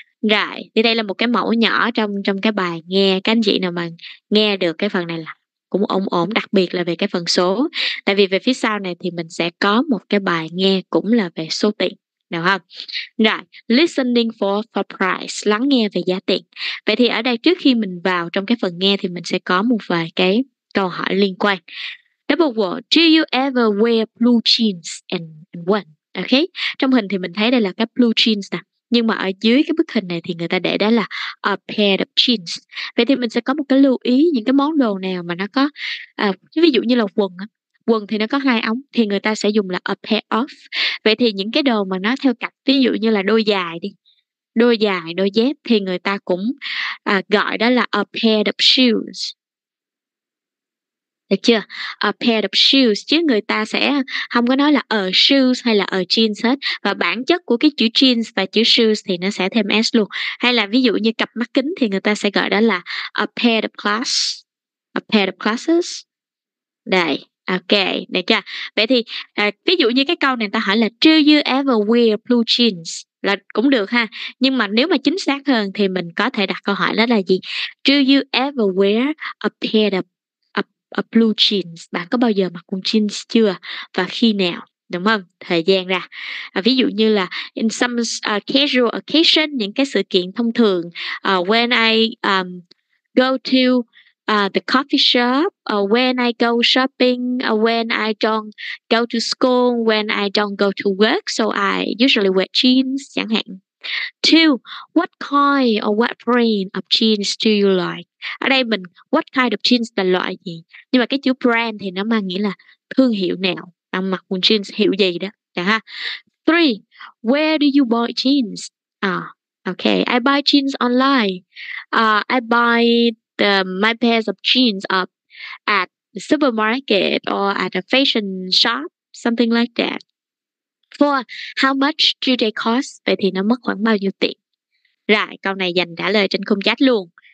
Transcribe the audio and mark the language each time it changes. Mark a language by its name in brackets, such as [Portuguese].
[Vietnamese] Rồi, thì đây là một cái mẫu nhỏ trong cái bài nghe. Các anh chị nào mà nghe được cái phần này là cũng ổn, đặc biệt là về cái phần số. Tại vì về phía sau này thì mình sẽ có một cái bài nghe cũng là về số tiền. Được không? Rồi, [English] listening for price, [Vietnamese] lắng nghe về giá tiền. Vậy thì ở đây trước khi mình vào trong cái phần nghe thì mình sẽ có một vài cái câu hỏi liên quan. [English] Number one, do you ever wear blue jeans and when? Okay. [Vietnamese] Trong hình thì mình thấy đây là cái blue jeans nè. Nhưng mà ở dưới cái bức hình này thì người ta để đó là [English] a pair of jeans. [Vietnamese] Vậy thì mình sẽ có một cái lưu ý những cái món đồ nào mà nó có, ví dụ như là quần á. Quần thì nó có hai ống, thì người ta sẽ dùng là a pair of. Vậy thì những cái đồ mà nó theo cặp, ví dụ như là đôi dài đi, đôi dài, đôi dép, thì người ta cũng gọi đó là [English] a pair of shoes. [Vietnamese] Được chưa? [English] A pair of shoes, [Vietnamese] chứ người ta sẽ không có nói là a shoes hay là a jeans hết. Và bản chất của cái chữ jeans và chữ shoes thì nó sẽ thêm s luôn. Hay là ví dụ như cặp mắt kính thì người ta sẽ gọi đó là [English] a pair of glasses. A pair of glasses. Đây. Ok, [Vietnamese] được chưa? Vậy thì ví dụ như cái câu này ta hỏi là [English] do you ever wear blue jeans? [Vietnamese] Là cũng được ha. Nhưng mà nếu mà chính xác hơn thì mình có thể đặt câu hỏi đó là gì? [English] Do you ever wear a pair of a blue jeans? [Vietnamese] Bạn có bao giờ mặc quần jeans chưa? Và khi nào? Đúng không? Thời gian ra. Ví dụ như là [English] in some casual occasion, [Vietnamese] những cái sự kiện thông thường, [English] when I go to the coffee shop, when I go shopping, when I don't go to school, when I don't go to work, so I usually wear jeans, [Vietnamese] chẳng hạn. [English] Two, what kind or what brand of jeans do you like? [Vietnamese] Ở đây mình, [English] what kind of jeans [Vietnamese] là loại gì? Nhưng mà cái chữ brand thì nó mang nghĩa là thương hiệu nào, bạn mặc quần jeans hiệu gì đó, chẳng ha. [English] Three, where do you buy jeans? Okay, I buy jeans online. I buy my pairs of jeans up at the supermarket or at a fashion shop, something like that. Four, how much do they cost? [Vietnamese] Vậy thì nó mất khoảng bao nhiêu tiền? Rồi, câu này dành trả lời trên khung chat luôn.